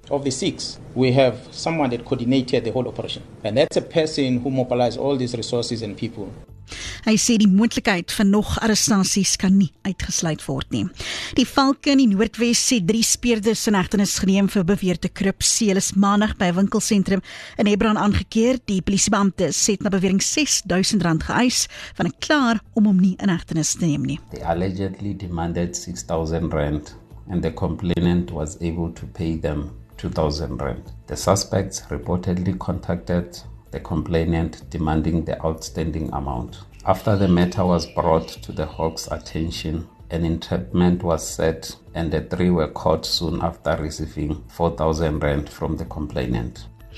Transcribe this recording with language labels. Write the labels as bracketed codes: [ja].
[en] Of the 6, we have someone that coordinated the whole operation. And that's a person who mobilized all these resources and people. [af] Hy sê die moontlikheid van nog arrestasies kan nie uitgesluit word nie. Die Valke in die Noordwes sê 3 speerders in hegtenis geneem vir beweerde korrupsie. Hulle is maandag by 'n winkelsentrum in Hebron aangekeer. Die polisiebeampte sê na bewering R6,000 geëis van 'n klaar om hom nie in hegtenis te neem nie. [en] They allegedly demanded R6,000 and the complainant was able to pay them R2,000. The suspects reportedly contacted the complainant demanding the outstanding amount. After the matter was brought to the Hawks' attention, an entrapment was set and the 3 were caught soon after receiving R4,000 from the complainant.